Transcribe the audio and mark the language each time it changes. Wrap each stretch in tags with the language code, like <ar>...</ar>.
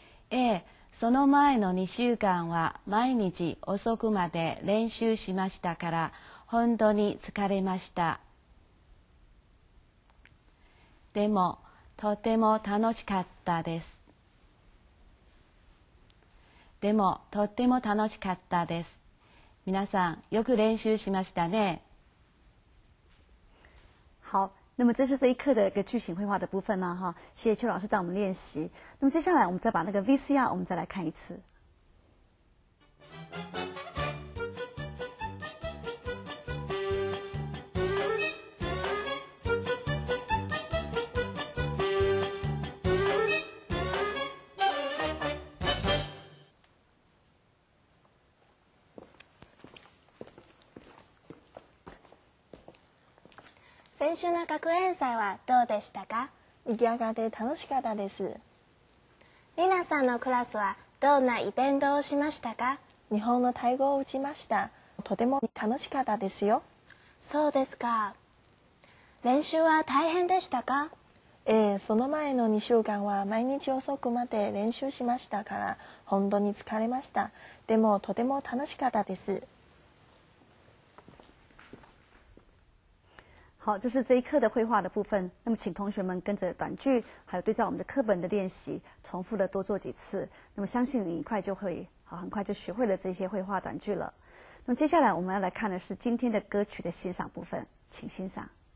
<ja>ええ、その前の2週間は毎日遅くまで練習しましたから、本当に疲れました。でも、とても楽しかったです。でも、とっても楽しかったです。皆さん、よく練習しましたね。</ja> <zh>好、那么这是这一课的一个句型绘画的部分啦、啊、哈。谢谢邱老师带我们练习。那么接下来我们再把那个 VCR 我们再来看一次。</zh> <ja>先週の学園祭はどうでしたか？賑やかで楽しかったです。リナさんのクラスはどんなイベントをしましたか？日本の太鼓を打ちました。とても楽しかったですよ。そうですか。練習は大変でしたか？ええ、その前の2週間は毎日遅くまで練習しましたから、本当に疲れました。でもとても楽しかったです。</ja> <zh>好，这是这一课的绘画的部分。那么，请同学们跟着短句，还有对照我们的课本的练习，重复的多做几次。那么，相信你很快就学会了这些绘画短句了。那么，接下来我们要来看的是今天的歌曲的欣赏部分，请欣赏。</zh>